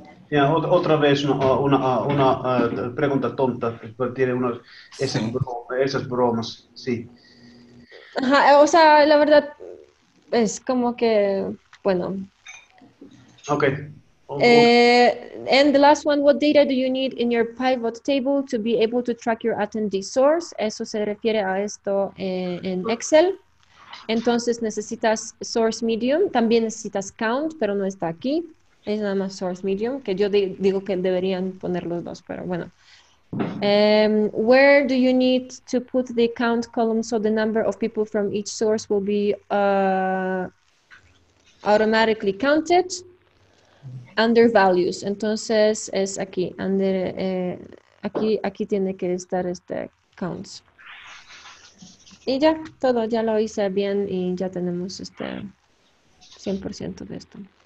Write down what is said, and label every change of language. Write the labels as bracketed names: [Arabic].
[Spanish] Yeah, otra vez una pregunta tonta, pero tiene unas esas bromas, sí. Ajá, o sea, la verdad es como que, bueno. Okay. [English] And the last one, what data do you need in your pivot table to be able to track your attendee source? [Spanish] Eso se refiere a esto en Excel. Entonces necesitas source medium, también necesitas count, pero no está aquí. Es nada más source medium, que yo digo que deberían poner los dos, pero bueno. [English] Where do you need to put the count column so the number of people from each source will be automatically counted under values? [Spanish] Entonces es aquí, under, aquí tiene que estar este counts. Y ya, todo, ya lo hice bien y ya tenemos este 100% de esto.